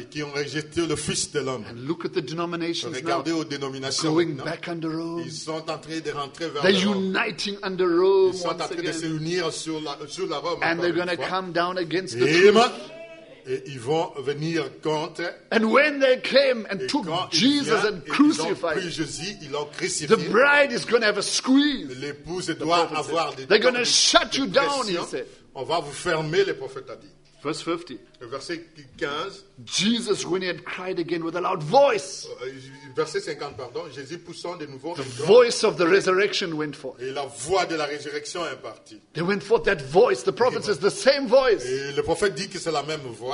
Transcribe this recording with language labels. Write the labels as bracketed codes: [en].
[fr] Et qui ont rejeté le Fils de l'homme. [en] And look at the denominations. [fr] Regardez [en] now, [fr] aux dénominations. [en] Going non? back under Rome. [fr] Ils sont en train de rentrer vers. [en] They're uniting under Rome. [fr] Ils sont en train de se unir sur la Rome. [en] And they're going to come down against the [fr] truth. Et ils vont venir contre. [en] And when they came and took Jesus and crucified, [fr] ils ont pris Jésus, ils l'ont crucifié. [en] The bride is going to have a squeeze. [fr] L'épouse doit avoir des. [en] They're going to shut you down, he said. [fr] On va vous fermer, le prophète a dit. [en] Verse 50. [fr] Le verset 15. [en] Jesus, when he had cried again with a loud voice. [fr] Verset 50, pardon. Jésus poussant de nouveau. [en] The voice of the resurrection went forth. [fr] Et la voix de la résurrection est partie. [en] They went forth that voice. The prophet says the same voice. [fr] Et le prophète dit que c'est la même voix.